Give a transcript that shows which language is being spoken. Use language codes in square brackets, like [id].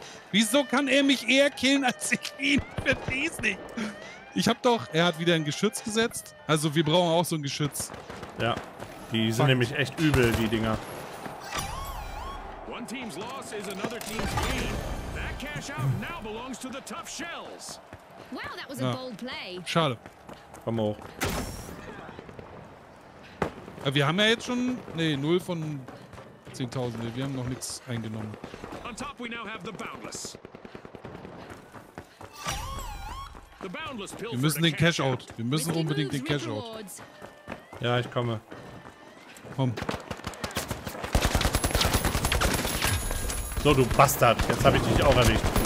[de] Wieso kann er mich eher killen als ich ihn? Ich verstehe es nicht. Ich hab doch, er hat wieder ein Geschütz gesetzt. Also wir brauchen auch so ein Geschütz. Ja, die sind Fuck. Nämlich echt übel, die Dinger. [en] One team's loss is another team's gain. That cash out now belongs to the tough shells. Wow, that was a bold play. [de] Schade. Komm hoch. Ja, wir haben ja jetzt schon, nee, 0 von 10.000. Wir haben noch nichts eingenommen. [en] On top we now have the Boundless. [de] Wir müssen den Cash-Out. Wir müssen unbedingt den Cash-Out. Ja, ich komme. Komm. So, du Bastard. Jetzt habe ich dich auch erwischt.